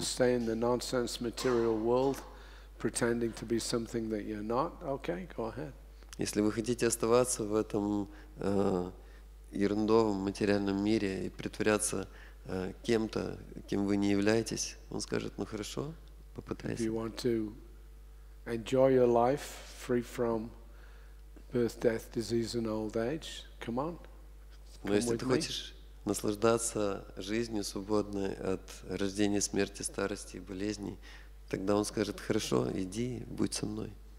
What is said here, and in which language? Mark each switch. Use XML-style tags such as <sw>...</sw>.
<en>You want to stay in the nonsense material world, pretending to be something that you're not? Okay, go ahead.</en> <ru>Если вы хотите оставаться в этом ерундовом материальном мире и притворяться кем-то, кем вы не являетесь, он скажет, ну хорошо, попытайся.</ru> <en>If you want to enjoy your life free from birth, death, disease and old age, come on.</en> <ru>Но если ты хочешь наслаждаться жизнью свободной от рождения, смерти, старости и болезней, тогда он скажет, хорошо, иди, будь со мной.</ru>